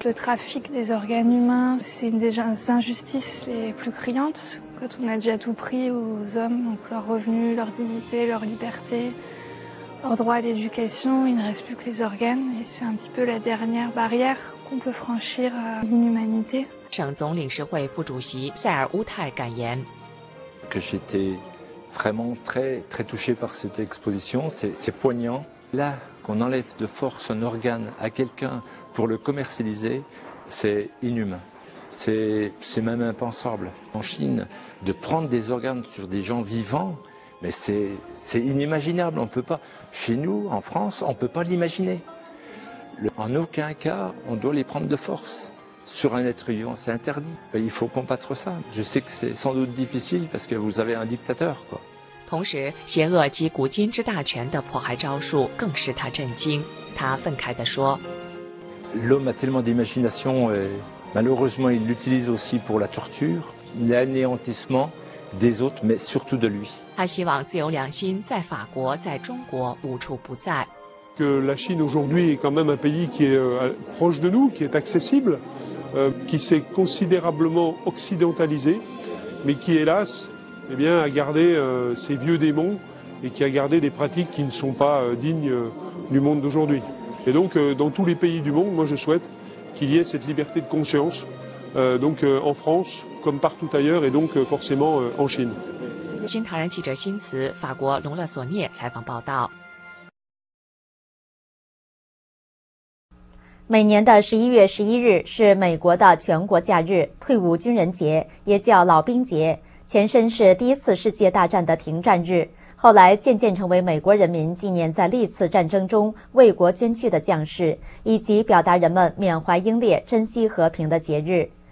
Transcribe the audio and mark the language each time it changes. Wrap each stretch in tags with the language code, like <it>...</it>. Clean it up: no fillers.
<fr>Le trafic des organes humains, c'est une des injustices les plus criantes. Quand on a déjà tout pris aux hommes, donc leurs revenus, leur dignité, leur liberté, leur droit à l'éducation, il ne reste plus que les organes. Et c'est un petit peu la dernière barrière qu'on peut franchir à l'inhumanité.</fr> <zh>省总领事会副主席塞尔乌泰感言。</zh> <fr>Que j'étais... vraiment très, très touché par cette exposition, c'est poignant. Là, qu'on enlève de force un organe à quelqu'un pour le commercialiser, c'est inhumain. C'est même impensable. En Chine, de prendre des organes sur des gens vivants, mais c'est inimaginable. On peut pas, chez nous, en France, on ne peut pas l'imaginer. En aucun cas, on doit les prendre de force. Sur un être vivant, c'est interdit. Il faut combattre ça. Je sais que c'est sans doute difficile parce que vous avez un dictateur, quoi.</fr> <zh>同时，邪恶及古今之大权的迫害招数更使他震惊。他愤慨地说</zh> <fr>L'homme a tellement d'imagination et malheureusement il l'utilise aussi pour la torture, l'anéantissement des autres, mais surtout de lui.</fr> <zh>他希望自由良心在法国、在中国无处不在。</zh> <fr>Que la Chine aujourd'hui est quand même un pays qui est proche de nous, qui est accessible, qui s'est considérablement occidentalisé, mais qui hélas, eh bien, a gardé ses vieux démons et qui a gardé des pratiques qui ne sont pas dignes du monde d'aujourd'hui. Et donc, dans tous les pays du monde, moi je souhaite qu'il y ait cette liberté de conscience, donc en France, comme partout ailleurs, et donc forcément en Chine.</fr> <zh>新唐人记者辛慈，法国龙勒索涅采访报道。每年的11月11日是美国的全国假日，退伍军人节，也叫老兵节，前身是第一次世界大战的停战日，后来渐渐成为美国人民纪念在历次战争中为国捐躯的将士，以及表达人们缅怀英烈、珍惜和平的节日。</zh>